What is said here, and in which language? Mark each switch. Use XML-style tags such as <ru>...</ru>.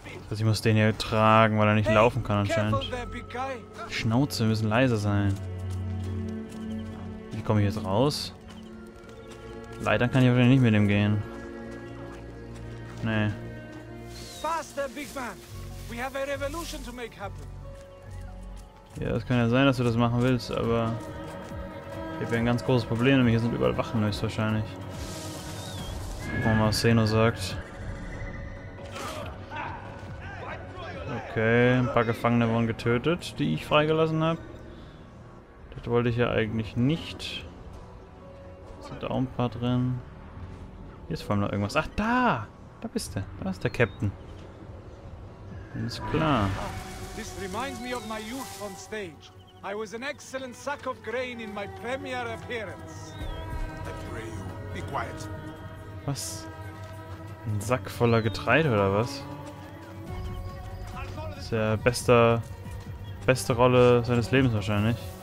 <de>Also ich muss den hier tragen, weil er nicht laufen kann anscheinend. Schnauze, wir müssen leise sein. Wie komme ich jetzt raus? Leider kann ich wahrscheinlich nicht mit ihm gehen. Nee.</de> <en>Faster, Big Man! We have a revolution to make happen!</en> <de>Ja, es kann ja sein, dass du das machen willst, aber ich habe ja ein ganz großes Problem, nämlich hier sind überall Wachen höchstwahrscheinlich. Gucken wir mal, was Zeno sagt. Okay, ein paar Gefangene wurden getötet, die ich freigelassen habe. Das wollte ich ja eigentlich nicht. Sind da auch ein paar drin. Hier ist vor allem noch irgendwas. Ach, da! Da bist du. Da ist der Captain. Alles klar.</de> <en>This reminds me of my youth on stage. I was an excellent sack of grain in my premiere appearance. I pray you, be quiet.</en> <de>Was? Ein Sack voller Getreide oder was? Das ist ja beste Rolle seines Lebens wahrscheinlich.</de>